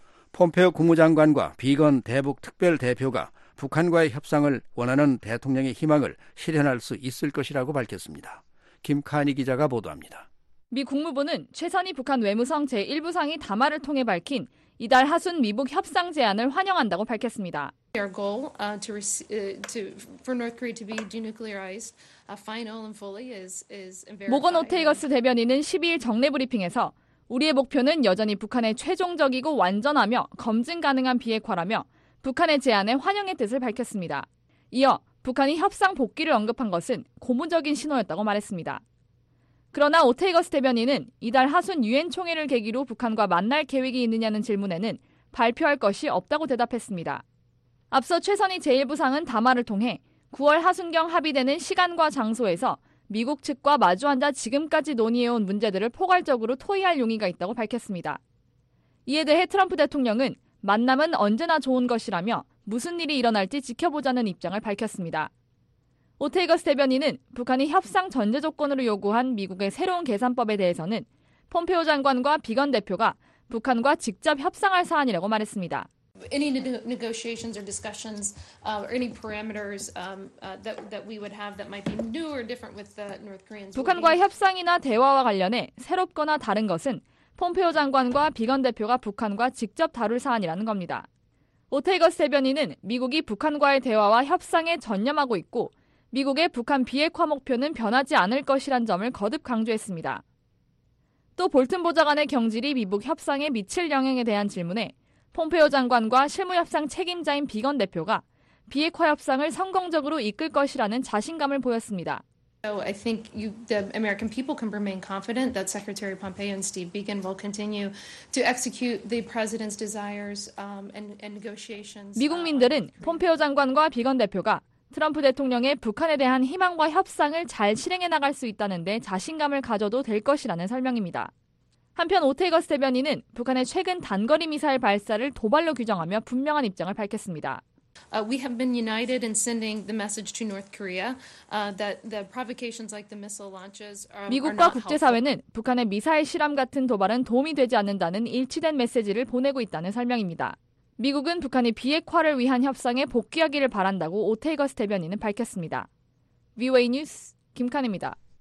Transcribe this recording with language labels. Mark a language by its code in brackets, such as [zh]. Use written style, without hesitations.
[ko] 폼페오 국무장관과 비건 대북 특별대표가 북한과의 협상을 원하는 대통령의 희망을 실현할 수 있을 것이라고 밝혔습니다. 김카니 기자가 보도합니다. 미 국무부는 최선희 북한 외무성 제1부상이 담화를 통해 밝힌 이달 하순 미북 협상 제안을 환영한다고 밝혔습니다. [en] Our goal for North Korea to be denuclearized final and fully is very. [ko] 모건 오테이거스 대변인은 12일 정례 브리핑에서 우리의 목표는 여전히 북한의 최종적이고 완전하며 검증 가능한 비핵화라며 북한의 제안에 환영의 뜻을 밝혔습니다. 이어 북한이 협상 복귀를 언급한 것은 고무적인 신호였다고 말했습니다. 그러나 오테이거스 대변인은 이달 하순 유엔 총회를 계기로 북한과 만날 계획이 있느냐는 질문에는 발표할 것이 없다고 대답했습니다. 앞서 최선희 제1부상은 담화를 통해 9월 하순경 합의되는 시간과 장소에서 미국 측과 마주앉아 지금까지 논의해온 문제들을 포괄적으로 토의할 용의가 있다고 밝혔습니다. 이에 대해 트럼프 대통령은 만남은 언제나 좋은 것이라며 무슨 일이 일어날지 지켜보자는 입장을 밝혔습니다. 오테이거스 대변인은 북한이 협상 전제 조건으로 요구한 미국의 새로운 계산법에 대해서는 폼페오 장관과 비건 대표가 북한과 직접 협상할 사안이라고 말했습니다. [en] Any negotiations or discussions or any parameters that we would have that might be new or different with the North Koreans. [ko] 북한과의 협상이나 대화와 관련해 새롭거나 다른 것은 폼페오 장관과 비건 대표가 북한과 직접 다룰 사안이라는 겁니다. 오테이거스 대변인은 미국이 북한과의 대화와 협상에 전념하고 있고 미국의 북한 비핵화 목표는 변하지 않을 것이란 점을 거듭 강조했습니다. 또 볼튼 보좌관의 경질이 미북 협상에 미칠 영향에 대한 질문에 폼페오 장관과 실무협상 책임자인 비건 대표가 비핵화 협상을 성공적으로 이끌 것이라는 자신감을 보였습니다. [en] I think the American people can remain confident that Secretary Pompeo and Steve Biegun will continue to execute the president's desires and negotiations. [ko] 미국민들은 폼페오 장관과 비건 대표가 트럼프 대통령의 북한에 대한 희망과 협상을 잘 실행해 나갈 수 있다는데 자신감을 가져도 될 것이라는 설명입니다. 한편 오테이거스 대변인은 북한의 최근 단거리 미사일 발사를 도발로 규정하며 분명한 입장을 밝혔습니다. [en] We have been united in sending the message to North Korea that the provocations like the missile launches are not helpful. [ko] 미국과 국제사회는 북한의 미사일 실험 같은 도발은 도움이 되지 않는다는 일치된 메시지를 보내고 있다는 설명입니다. 미국은 북한이 비핵화를 위한 협상에 복귀하기를 바란다고 오테이거스 대변인은 밝혔습니다. VOA 뉴스 김칸입니다.